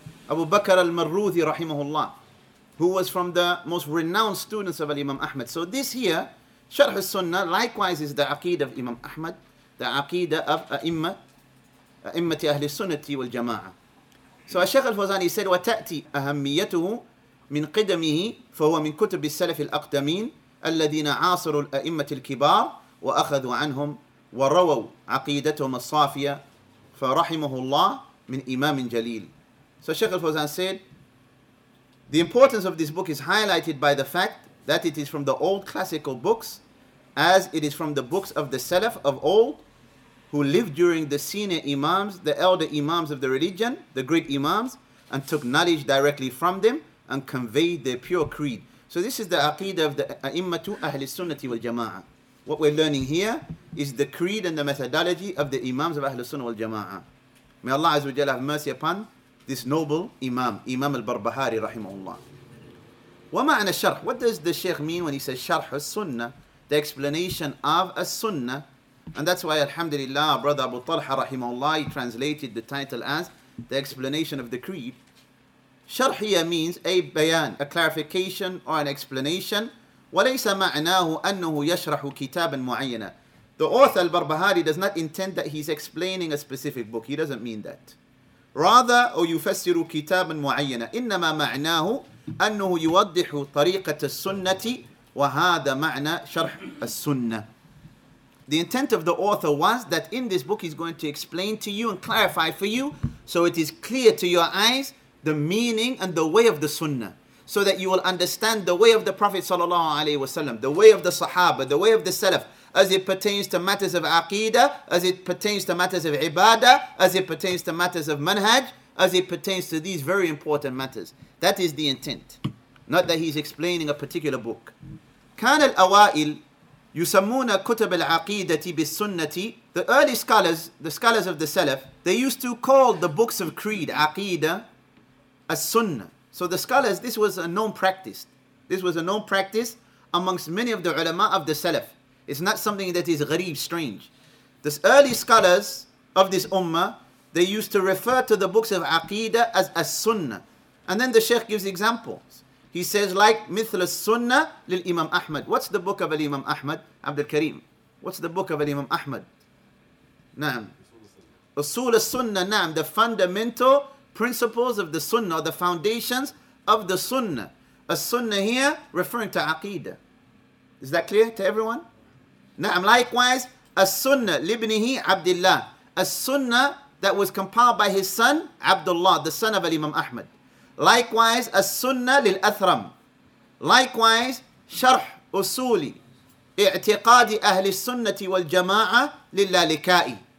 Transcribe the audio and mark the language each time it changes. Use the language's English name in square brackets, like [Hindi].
[English] Abu Bakr al-Marruthi rahimahullah, who was from the most renowned students of Al-Imam Ahmad. So this here, Sharh al-Sunnah, likewise is the aqeedah of Imam Ahmad, the aqeedah of [Arabic] أئمة أهل السنة والجماعة. [English] So [Arabic] الشيخ الفوزاني [English] said, [Arabic] وتأتي أهميته من قدمه فهو من كتب السلف الأقدمين الذين عاصروا الأئمة الكبار وأخذوا عنهم ورووا عقيدتهم الصافية فرحمه الله من إمام جليل. [English] So الشيخ الفوزان said, the importance of this book is highlighted by the fact that it is from the old classical books, as it is from the books of the Salaf of old, who lived during the senior imams, the elder imams of the religion, the great imams, and took knowledge directly from them and conveyed their pure creed. So this is the aqeedah of the a'immatu ahli sunnati wal jama'ah. What we're learning here is the creed and the methodology of the imams of ahli sunnah wal jama'ah. May Allah Azza wa Jalla have mercy upon this noble Imam, Imam al-Barbahari rahimahullah. [Arabic] ومعنى الشرح, [English] what does the Shaykh mean when he says شرح السنة, the explanation of a sunnah? And that's why alhamdulillah brother Abu Talha rahimahullah he translated the title as the explanation of the creed. شرحية means a bayan, a clarification or an explanation. [Arabic] وليس معناه أنه يشرح كتابا معينا. [English] The author al-Barbahari does not intend that he's explaining a specific book. He doesn't mean that. Rather, [Arabic] أو يفسر كتابا معينا. إنما معناه أنه يوضح طريقة السنة وهذا معنى شرح السنة. [English] The intent of the author was that in this book he's going to explain to you and clarify for you so it is clear to your eyes the meaning and the way of the sunnah, so that you will understand the way of the Prophet sallallahu alaihi wasallam, the way of the Sahaba, the way of the Salaf, as it pertains to matters of aqidah, as it pertains to matters of ibadah, as it pertains to matters of manhaj, as it pertains to these very important matters. That is the intent. Not that he's explaining a particular book. [Arabic] كان الأوائل يسمون كتب العقيدة بالسنة. [English] The early scholars, the scholars of the Salaf, they used to call the books of creed, aqidah, as-sunnah. So the scholars, this was a known practice. This was a known practice amongst many of the ulama of the Salaf. It's not something that is gharib, strange. The early scholars of this ummah, they used to refer to the books of aqidah as as-sunnah. And then the Shaykh gives examples. He says, like, [Arabic] مثل السنة للإمام أحمد. [English] What's the book of Imam Ahmad, Abdul Karim? What's the book of Imam Ahmad? [Arabic] نعم. أصول السنة, نعم. [English] The fundamental principles of the sunnah, or the foundations of the sunnah. As-sunnah here, referring to aqidah. Is that clear to everyone? [Arabic] نعم. [English] Likewise, as-sunnah [Arabic] لابنه عبد الله. [English] As-sunnah that was compiled by his son, Abdullah, the son of Imam Ahmad. Likewise, as-sunnah lil-athram. Likewise, sharh usuli. I'tiqadi ahli sunnati wal-jama'a lil-lalika'i.